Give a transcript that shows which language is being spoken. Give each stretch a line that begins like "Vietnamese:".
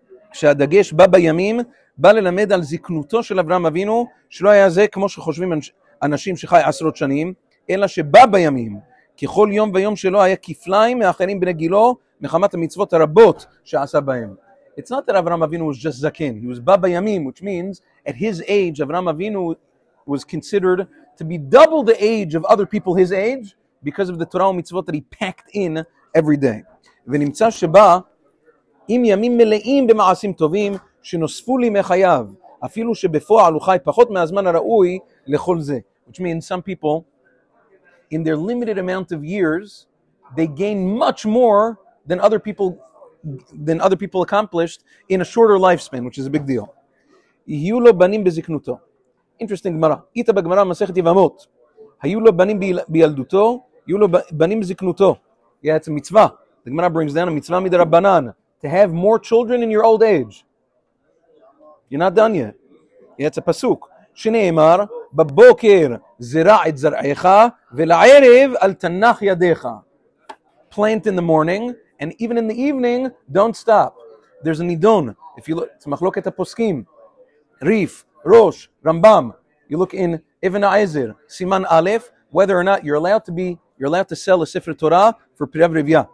Hebrew: כשהדגש בא בימים, בא ללמד על זקנותו של אברהם אבינו, שלא היה זה כמו שחושבים אנשים שחי עשרות שנים, אלא שבא בימים, כי כל יום ויום שלו היה כפליים מאחרים בני גילו, מחמת המצוות הרבות שעשה בהם.
English: It's not that אברהם אבינו was just זקן. He was בא בימים, which means, at his age, אברהם אבינו was considered to be double the age of other people his age because of the Torah ומצוות that he packed in every day.
Hebrew: ונמצא שבא עם ימים מלאים במעשים טובים שנוספו לי מחייו, אפילו שבפועל הוא חי פחות מהזמן הראוי לכל זה.
English: Which means some people, in their limited amount of years, they gain much more than other people accomplished in a shorter lifespan, which is a big deal.
Hebrew: יהיו לו בנים בזקנותו.
English: Interesting Gemara.
Hebrew: איתה בגמרא מסכת יבמות. היו לו בנים בילדותו, יהיו לו בנים בזקנותו.
English: Yeah, it's a mitzvah. The Gemara brings down a mitzvah מדרבנן. To have more children in your old age. You're not done yet. Yeah, it's a pasuk.
Hebrew: שנאמר, בבוקר זרע את זרעיך, ולערב אל תנח ידיך.
English: Plant in the morning, and even in the evening, don't stop. There's a nidon. If you look, it's
Hebrew: מחלוקת הפוסקים.
English: ריף. Rosh, Rambam, you look in Ibn Ezer, Siman Aleph, whether or not you're allowed to sell a Sefer Torah for Pirev Revia.